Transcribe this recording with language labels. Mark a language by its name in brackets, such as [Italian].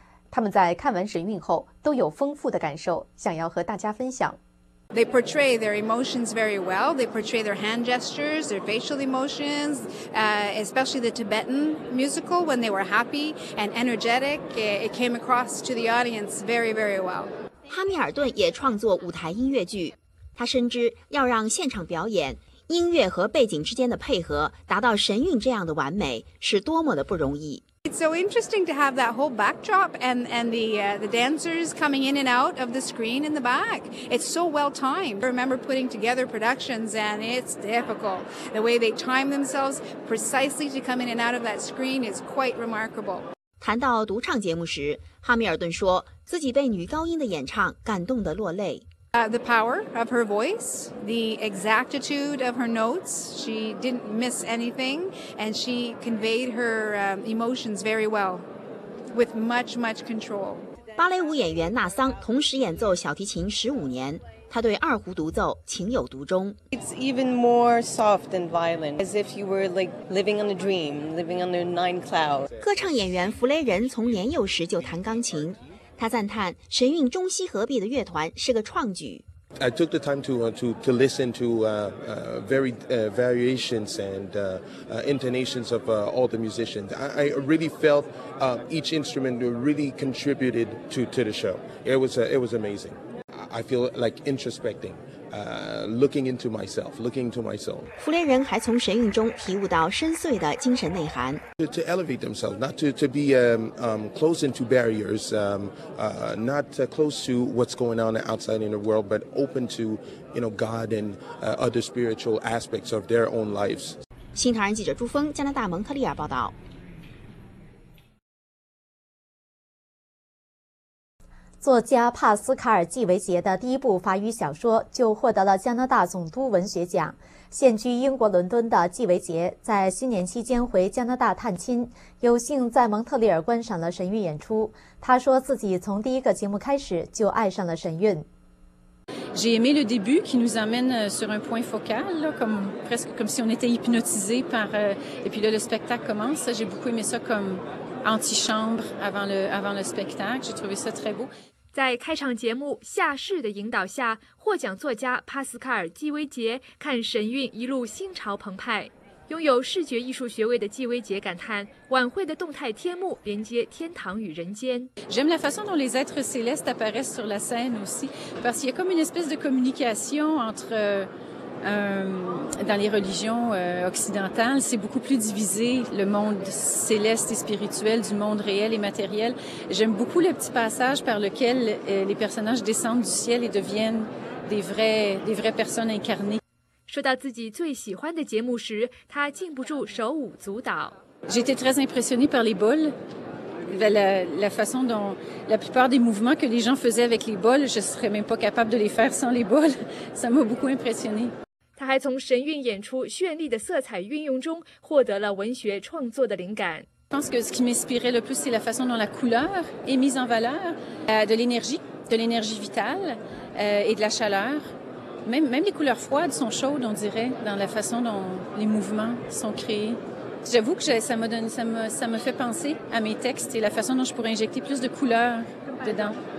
[Chinese] 他们在看完神韵后都有丰富的感受，想要和大家分享。 [English] They portray their emotions very well. They portray their hand gestures, their facial emotions, especially the Tibetan musical when they were happy and energetic. It came across to the audience very, very well. [Chinese] 哈密尔顿也创作舞台音乐剧，他深知要让现场表演、音乐和背景之间的配合达到神韵这样的完美，是多么的不容易。 [English] It's so interesting to have that whole backdrop and the dancers coming in and out of the screen in the back. It's so well timed. I remember putting together productions and it's difficult. The way they time themselves precisely to come in and out of that screen is quite remarkable. [Chinese] 谈到独唱节目时，哈密尔顿说自己被女高音的演唱感动得落泪。 [English] The power of her voice, the exactitude of her notes, she didn't miss anything, and she conveyed her emotions very well, with much, much control. [Chinese] 芭蕾舞演员纳桑同时演奏小提琴15年，她对二胡独奏情有独钟。 [English] It's even more soft and violent, as if you were like living on a dream, living under 9 clouds. [Chinese] 歌唱演员弗雷仁从年幼时就弹钢琴。他赞叹神韵中西合璧的乐团是个创举。 [English] I took the time to listen to variations and intonations of all the musicians. I really felt each instrument really contributed to the show. It was amazing. I feel like introspecting, looking into myself, looking to my soul. [Chinese] 弗雷仁还从神韵中体悟到深邃的精神内涵。 [English] To elevate themselves, not to be close into barriers, not close to what's going on outside in the world, but open to, you know, God and other spiritual aspects of their own lives. [Chinese] 新唐人记者朱峰，加拿大蒙特利尔报道。作家帕斯卡尔·季维杰的第一部法语小说就获得了加拿大总督文学奖。现居英国伦敦的季维杰在新年期间回加拿大探亲，有幸在蒙特利尔观赏了神韵演出。他说自己从第一个节目开始就爱上了神韵。 [French] J'ai aimé le début qui nous amène sur un point focal, là, comme si on était hypnotisé par, et puis là le spectacle commence. J'ai beaucoup aimé ça comme antichambre avant le spectacle. J'ai trouvé ça très beau. [Chinese] 在开场节目《夏世》的引导下，获奖作家帕斯卡尔·季维杰看神韵一路心潮澎湃。拥有视觉艺术学位的季维杰感叹，晚会的动态天幕连接天堂与人间。 [French] J'aime la façon dont les êtres célestes apparaissent sur la scène aussi, parce qu'il y a comme une espèce de communication entre dans les religions occidentales, c'est beaucoup plus divisé le monde céleste et spirituel du monde réel et matériel. J'aime beaucoup le petit passage par lequel les personnages descendent du ciel et deviennent des vraies personnes incarnées. [Chinese] 说到自己最喜欢的节目时，他禁不住手舞足蹈。 [French] J'étais très impressionnée par les bols. La façon dont la plupart des mouvements que les gens faisaient avec les bols, je ne serais même pas capable de les faire sans les bols. Ça m'a beaucoup impressionnée. [Chinese] 他还从神韵演出绚丽的色彩运用中获得了文学创作的灵感。 [French] Je pense que ce qui m'inspirait le plus, c'est la façon dont la couleur est mise en valeur, de l'énergie vitale et de la chaleur. Même les couleurs froides sont chaudes, on dirait, dans la façon dont les mouvements sont créés. J'avoue que ça me fait penser à mes textes et la façon dont je pourrais injecter plus de couleurs dedans.